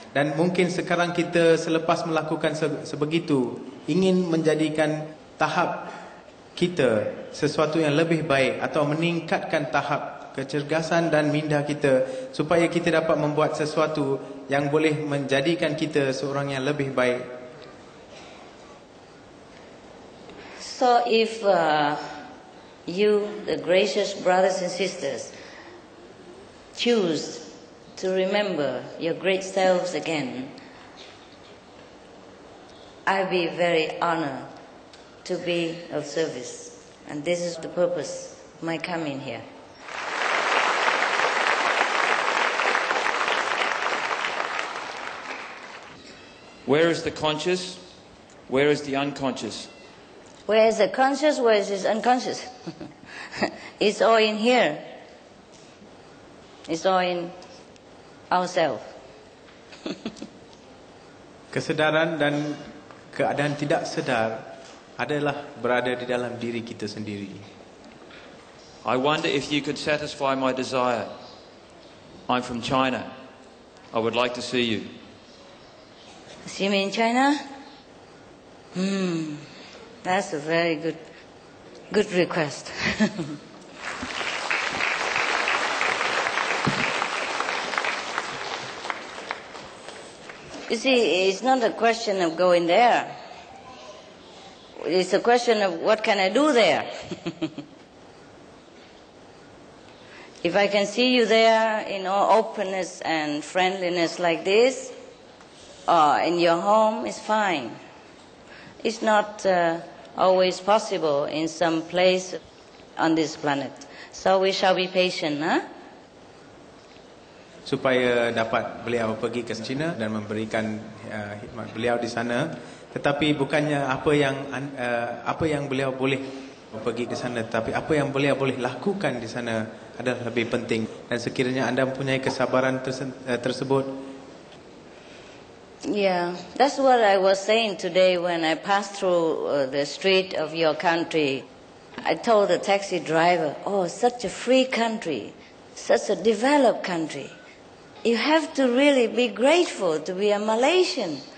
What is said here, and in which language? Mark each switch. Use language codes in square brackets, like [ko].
[ms] Dan mungkin sekarang kita selepas melakukan sebegitu ingin menjadikan tahap kita sesuatu yang lebih baik atau meningkatkan tahap kecergasan dan minda kita supaya kita dapat membuat sesuatu yang boleh menjadikan kita seorang yang lebih baik. [en] So if you, the gracious brothers and sisters, choose to remember your great selves again, I'll be very honored to be of service. And this is the purpose of my coming here. Where is the conscious? Where is the unconscious? Where is the conscious? Where is this unconscious? It's all in here. It's all in ourselves. [ms] Kesedaran dan keadaan tidak sedar adalah berada di dalam diri kita sendiri. [en] I wonder if you could satisfy my desire. I'm from China. I would like to see you. See me in China? That's a very good request. You see, it's not a question of going there. It's a question of what can I do there? If I can see you there in all openness and friendliness like this, in your home, it's fine. It's not always possible in some place on this planet. So we shall be patient, huh? [ms] Supaya dapat beliau pergi ke China dan memberikan khidmat beliau di sana, tetapi bukannya apa yang beliau boleh pergi ke sana, tetapi apa yang beliau boleh lakukan di sana adalah lebih penting. Dan sekiranya anda mempunyai kesabaran tersebut. [en] Yeah, that's what I was saying today when I passed through the street of your country. I told the taxi driver, oh, such a free country, such a developed country. You have to really be grateful to be a Malaysian.